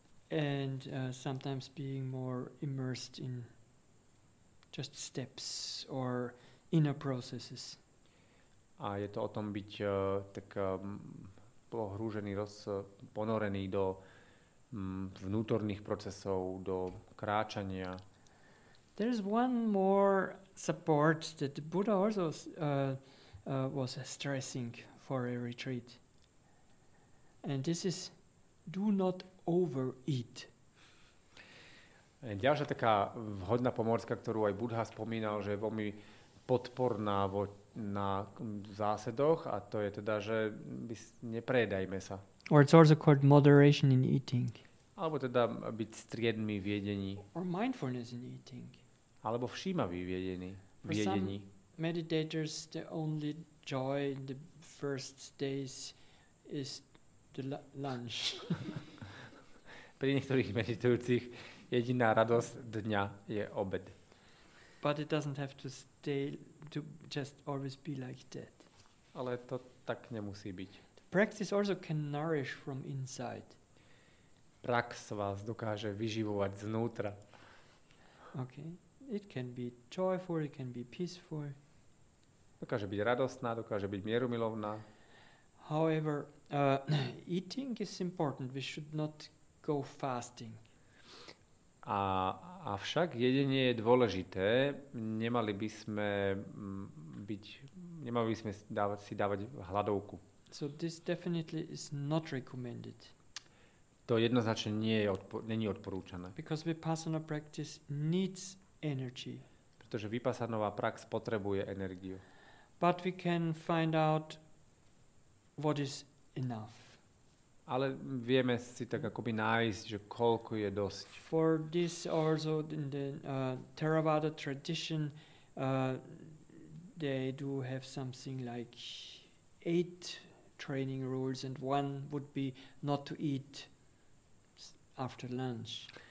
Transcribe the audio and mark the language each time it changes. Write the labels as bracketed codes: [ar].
[en] And sometimes being more immersed in just steps or inner processes. [sk] A je to o tom byť tak pohrúžený, ponorený do vnútorných procesov, do kráčania. [en] There is one more support that the Buddha also was stressing for a retreat. And this is, do not overeat. [sk] Ďalšia taká vhodná pomôcka, ktorú aj Buddha spomínal, že je veľmi podporná na zásadoch, a to je teda, že neprejedajme sa. [en] Or it's also called moderation in eating. [sk] Alebo teda byť striedmi v jedení. [en] Or mindfulness in eating. [sk] Alebo všímavý v jedení. [en] For some meditators, the only joy in the first days is the lunch. [sk] Pri niektorých meditujúcich jediná radosť dňa je obed. [en] But it doesn't have to stay to just always be like that. [sk] Ale to tak nemusí byť. [en] The practice also can nourish from inside. [sk] Prax vás dokáže vyživovať znútra. [en] Okay. It can be joyful, it can be peaceful. [sk] Dokáže byť radostná, dokáže byť mierumilovná. [en] However, eating is important. We should not go fasting. [sk] Avšak jedenie je dôležité. Nemali by sme byť, nemali by sme si dávať hladovku. [en] So this definitely is not recommended. [sk] To jednoznačne nie je není odporúčané. [en] Because Vipassana practice needs energy. [sk] Pretože vipassanová prax potrebuje energiu. [en] But we can find out what is enough. [sk] Ale vieme si tak akoby nájsť, že koľko je dosť. [en] For this also in the Theravada tradition, they do have something like 8 training rules, and one would be not to eat after lunch.